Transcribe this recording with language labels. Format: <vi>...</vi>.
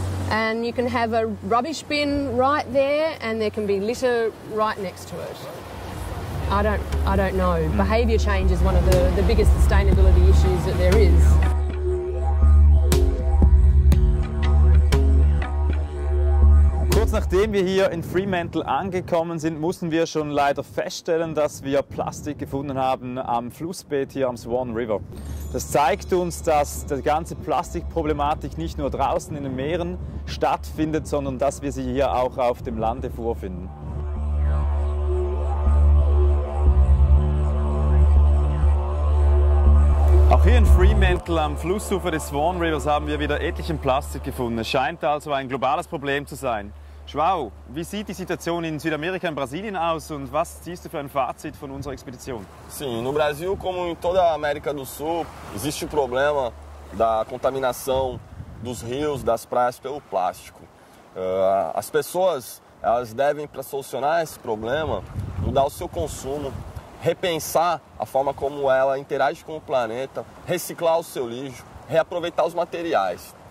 <en>And you can have a rubbish bin right there, and there can be litter right next to it. I don't know. Behaviour change is one of the biggest sustainability issues that there is.</en> <de>Nachdem wir hier in Fremantle angekommen sind, mussten wir schon leider feststellen, dass wir Plastik gefunden haben am Flussbett hier am Swan River. Das zeigt uns, dass die ganze Plastikproblematik nicht nur draußen in den Meeren stattfindet, sondern dass wir sie hier auch auf dem Lande vorfinden. Auch hier in Fremantle am Flussufer des Swan Rivers haben wir wieder etlichen Plastik gefunden. Es scheint also ein globales Problem zu sein. Wow, wie sieht die Situation in Südamerika und Brasilien aus, und was ziehst du für ein Fazit von unserer Expedition?</de> <pt>Sim, no Brasil como em toda a América do Sul, existe o problema da contaminação dos rios, das praias pelo plástico. As pessoas, elas devem, para solucionar esse problema, mudar o seu consumo, repensar a forma como ela interage com o planeta, reciclar o seu lixo, reaproveitar os materiais.</pt>